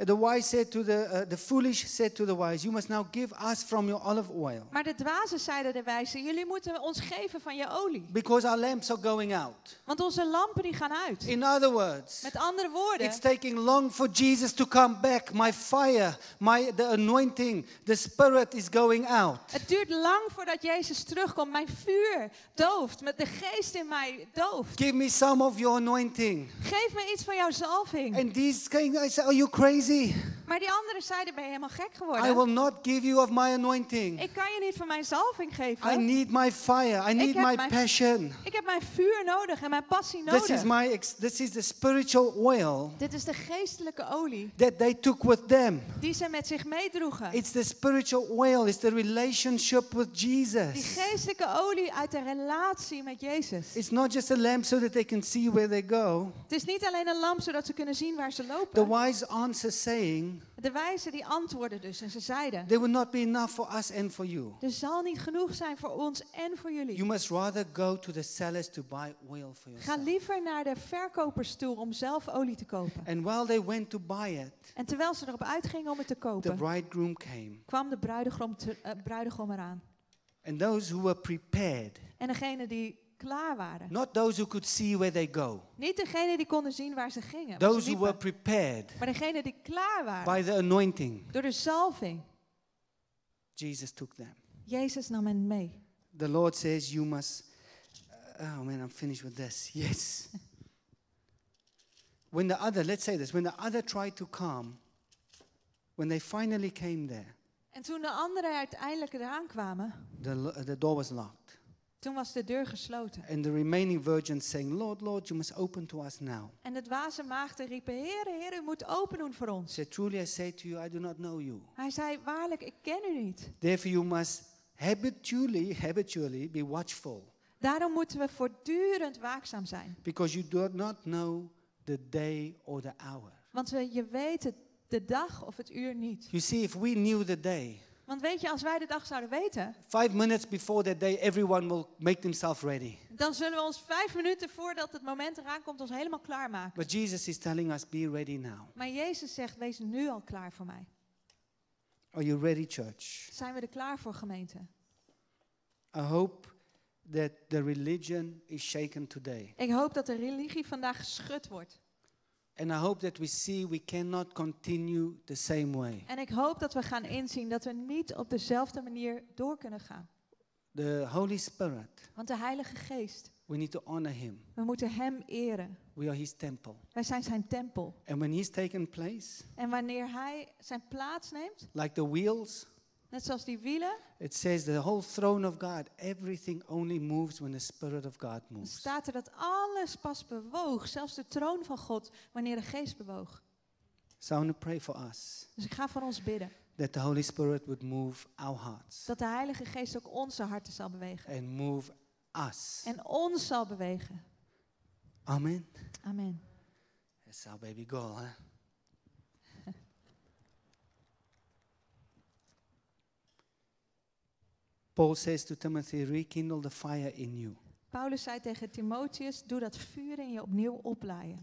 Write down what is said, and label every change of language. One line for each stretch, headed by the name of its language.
English: The wise said to the foolish said to the wise, you must now give us from your olive oil.
Dutch: Maar de dwazen zeiden de wijzen, jullie moeten ons geven van je olie.
English: Because our lamps are going out.
Dutch: Want onze lampen die gaan uit.
English: In other words.
Dutch: Met andere woorden.
English: It's taking long for Jesus to come back. My fire, the anointing, the spirit is going out.
Dutch: Het duurt lang voordat Jezus terugkomt. Mijn vuur dooft met de geest in mij dooft.
English: Give me some of your anointing.
Dutch: Geef me iets van jouw zalving.
English: And these came, I said, are you crazy?
Dutch: Maar die anderen zeiden, ben je helemaal gek geworden?
English: I will not give you of my anointing.
Dutch: Ik kan je niet van mijn zalving geven.
English: I need my fire. I need my passion.
Dutch: Ik heb mijn vuur nodig en mijn passie nodig.
English: This is the spiritual oil.
Dutch: Dit is de geestelijke olie.
English: That they took with them.
Dutch: Die ze met zich meedroegen.
English: It's the spiritual oil. It's the relationship with Jesus.
Dutch: Die geestelijke olie uit de relatie met Jezus.
English: It's not just a lamp so that they can see where they go.
Dutch: Het is niet alleen een lamp zodat ze kunnen zien waar ze lopen.
English: The wise answer saying.
Dutch: De wijzen die antwoorden dus en ze zeiden.
English: There will not be enough for us and for you.
Dutch: Er zal niet genoeg zijn voor ons en voor jullie.
English: You must rather go to the sellers to buy oil for yourself.
Dutch: Ga liever naar de verkopers toe om zelf olie te kopen.
English: And while they went to buy it.
Dutch: En terwijl ze erop uitgingen om het te kopen.
English: The bridegroom came.
Dutch: Kwam de bruidegom eraan.
English: And those who were prepared.
Dutch: En degene die klaar waren.
English: Not those who could see where they go.
Dutch: Niet degene die konden zien waar ze gingen.
English: Those who were prepared.
Dutch: Maar degene die klaar waren.
English: By the anointing.
Dutch: Door de zalving.
English: Jesus took them.
Dutch: Jezus nam hen mee.
English: The Lord says you must. Oh man, I'm finished with this. Yes. When the other, let's say this, when the other tried to come, when they finally came there.
Dutch: En toen de anderen uiteindelijk eraan kwamen.
English: The door was locked.
Dutch: Toen was de deur gesloten.
English: And the remaining virgins saying, Lord, Lord, you must open to us now.
Dutch: En de dwaze maagden riepen, Heere, Heere, u moet open doen voor ons.
English: She said, truly I say to you, I do not know you.
Dutch: Hij zei, waarlijk, ik ken u niet.
English: Therefore you must habitually be watchful.
Dutch: Daarom moeten we voortdurend waakzaam zijn.
English: Because you do not know the day or the hour.
Dutch: Want je weet de dag of het uur niet.
English: You see, if we knew the day.
Dutch: Want weet je, als wij de dag zouden weten.
English: 5 minutes before that day, everyone will make themselves ready.
Dutch: Dan zullen we ons 5 minuten voordat het moment eraan komt, ons helemaal klaarmaken.
English: But Jesus is telling us, be ready now.
Dutch: Maar Jezus zegt, wees nu al klaar voor mij.
English: Are you ready, church?
Dutch: Zijn we er klaar voor, gemeente?
English: I hope that the religion is shaken today.
Dutch: Ik hoop dat de religie vandaag geschud wordt.
English: And I hope that we see we cannot continue the same way.
Dutch: En ik hoop dat we gaan inzien dat we niet op dezelfde manier door kunnen gaan.
English: The Holy Spirit.
Dutch: Want de Heilige Geest.
English: We need to honor him.
Dutch: We moeten hem eren.
English: We are his temple.
Dutch: Wij zijn zijn tempel.
English: And when he's taken place.
Dutch: En wanneer hij zijn plaats neemt.
English: Like the wheels.
Dutch: Net zoals die wielen.
English: It says the whole throne of God, everything only moves when the Spirit of God moves.
Dutch: Dan staat er dat alles pas bewoog, zelfs de troon van God, wanneer de Geest bewoog.
English: So I want to pray for us.
Dutch: Dus ik ga voor ons bidden.
English: That the Holy Spirit would move our hearts.
Dutch: Dat de Heilige Geest ook onze harten zal bewegen.
English: And move us.
Dutch: En ons zal bewegen.
English: Amen.
Dutch: Amen.
English: That's our baby girl, hè? Paul says to Timothy, rekindle the fire in you.
Dutch: Paulus zei tegen Timotheus, doe dat vuur in je opnieuw oplaaien.